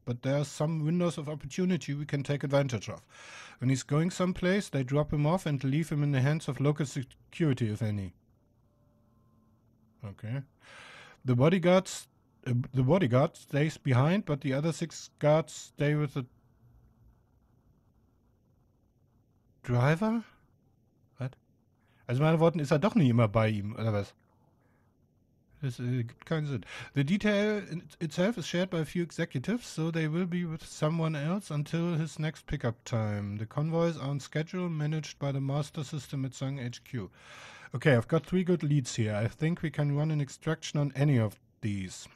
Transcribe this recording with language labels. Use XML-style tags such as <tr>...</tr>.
<en>But there are some windows of opportunity we can take advantage of. When he's going someplace, they drop him off and leave him in the hands of local security, if any. Okay. The bodyguard stays behind, but the other 6 guards stay with the Driver?</en> <de>Was? Also meine Worten, ist er doch nie immer bei ihm, oder was? Das gibt keinen Sinn.</de> <en>The detail itself is shared by a few executives, so they will be with someone else until his next pickup time. The convoys are on schedule, managed by the master system at Sung HQ. Okay, I've got 3 good leads here. I think we can run an extraction on any of these.</en>